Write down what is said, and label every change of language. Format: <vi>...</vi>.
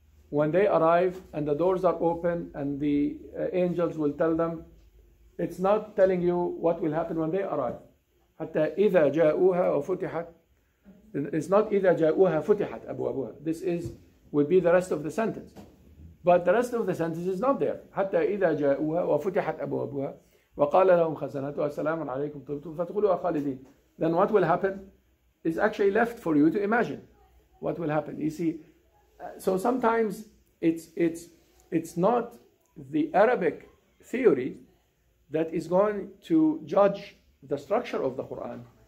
<en>When they arrive and the doors are open and the angels will tell them, it's not telling you what will happen when they arrive.</en> <ar>حَتَّى إِذَا جَاءُوهَا وَفُتِحَتْ.</ar> <en>It's not</en> <ar>إِذَا جَاءُوهَا فُتِحَتْ أَبْوَابُهَا.</ar> <en>This is would be the rest of the sentence. But the rest of the sentence is not there.</en> <ar>حتى إذا جاءوها وفتحت أبوابها وقال لهم خزنتها سلام عليكم طبتم فتقولوا خالدين.</ar> <en>Then what will happen is actually left for you to imagine what will happen. You see, so sometimes it's not the Arabic theory that is going to judge the structure of the Quran.</en>